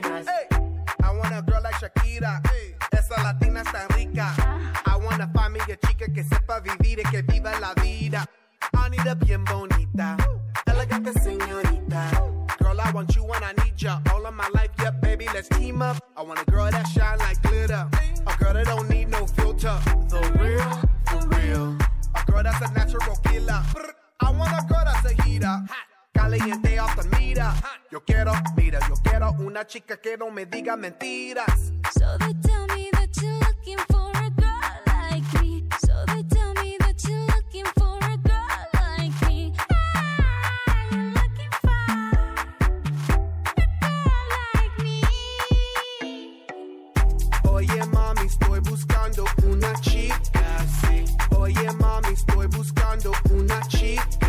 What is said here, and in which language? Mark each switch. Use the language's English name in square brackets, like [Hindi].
[English] Hey. I want a girl like Shakira, hey. [Spanish] Esa latina está rica. [English] I want a [Spanish] familia chica que sepa vivir y que viva la vida. [English] I need a [Spanish] bien bonita, elegante señorita. [English] Girl, I want you and I need ya all of my life, yeah, baby, let's team up. I want a girl that shine like glitter, a girl that don't need no filter. The real, the real. A girl that's a natural killer. I want a girl that's a heater. Caliente off the meter. [Spanish] Yo quiero, mira, yo quiero una chica que no me diga mentiras. [English] So they tell me that you're looking for a girl like me. So they tell me that you're looking for a girl like me. Ah, you're looking for a girl like me. [Spanish] Oye, mami, estoy buscando una chica, sí. Oye, mami, estoy buscando una chica.